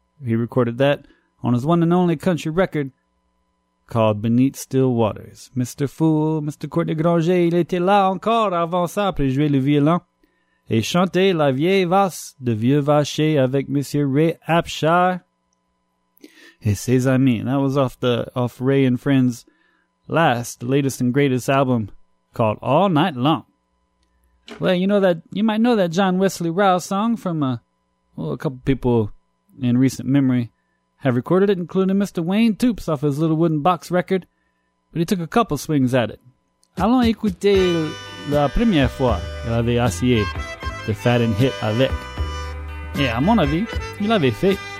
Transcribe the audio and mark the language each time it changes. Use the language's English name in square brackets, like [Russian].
[English] He recorded that on his one and only country record called Beneath Still Waters. Mr. Fool, Mr. [French] Courtney Granger, il était là encore avant ça, pour jouer le violon. Et chanter la vieille valse de Vieux Vacher avec Monsieur Ray Apshar et ses amis. [English] That was off Ray and Friends' latest and greatest album called All Night Long. Well, you might know that John Wesley Rouse song from a couple people in recent memory have recorded it, including Mr. Wayne Toops off his Little Wooden Box record, but he took a couple swings at it. [French] Allons écouter la première fois qu'il avait essayé de faire un hit avec. Et à mon avis, il l'avait fait.